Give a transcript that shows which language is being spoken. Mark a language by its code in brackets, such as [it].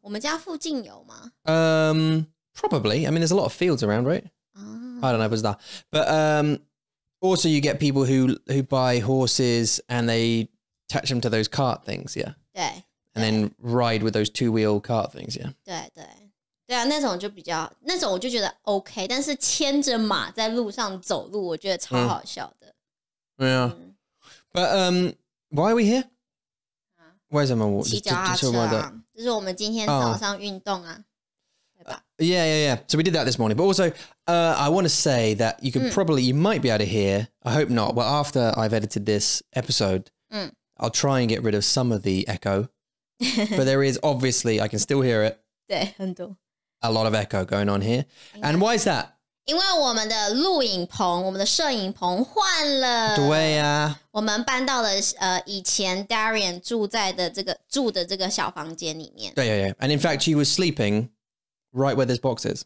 [zh] 我们家附近有吗 [en] ？Probably. I mean, there's a lot of fields around, right?、 Oh. I don't know, [zh] 不知道。 [en] But also, you get people who buy horses and they attach them to those cart things, yeah. [zh] 对。 [en] And then ride with those two-wheel cart things, yeah. [zh] 对对。对啊，那种就比较，那种我就觉得 OK， 但是牵着马在路上走路，我觉得超好笑的。 [en] 对啊。But why are we here？ [zh] 为什么我骑脚踏车啊？就是我们今天早上运动啊。 [en] Yeah. So we did that this morning. But also, I want to say that you could probably, you might be able to hear, I hope not, but after I've edited this episode, I'll try and get rid of some of the echo. But there is obviously, I can still hear it. [zh] 对，很多。 [en] A lot of echo going on here. And why is that? [zh] 因为我们的录影棚，我们的摄影棚换了。对啊。我们搬到了以前 Darian 住在的这个住的这个小房间里面。 [en] 对 yeah. And in fact, she was sleeping. Right where this box is.